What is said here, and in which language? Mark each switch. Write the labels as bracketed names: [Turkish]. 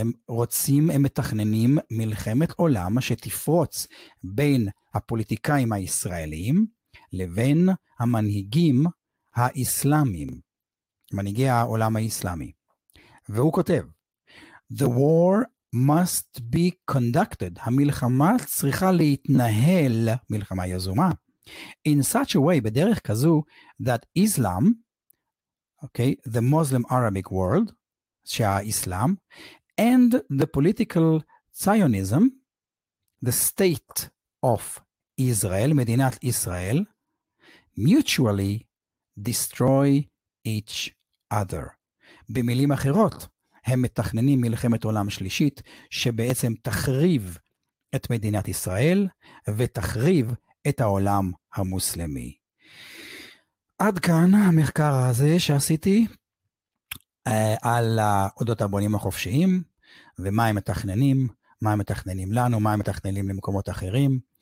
[Hebrew] הם רוצים, הם מתכננים מלחמת עולם שתפרוץ בין הפוליטיקאים הישראלים לבין המנהיגים האיסלאמים, מנהיגי העולם האיסלאמי. והוא כותב, [English] The war must be conducted. [Hebrew] המלחמה צריכה להתנהל, מלחמה יזומה, [English] in such a way, [Hebrew] בדרך כזו, [English] that Islam, okay, the Muslim Arabic world, [Hebrew] שהאיסלאם, [English] and the political Zionism, the state of Israel, [Hebrew] מדינת ישראל, [English] mutually destroy each other. [Hebrew] במילים אחרות, הם מתכננים מלחמת עולם שלישית, שבעצם תחריב את מדינת ישראל, ותחריב את העולם המוסלמי. עד כאן המחקר הזה שעשיתי, על אודות הבונים החופשיים, ומה הם מתכננים, מה הם מתכננים לנו, מה הם מתכננים למקומות אחרים.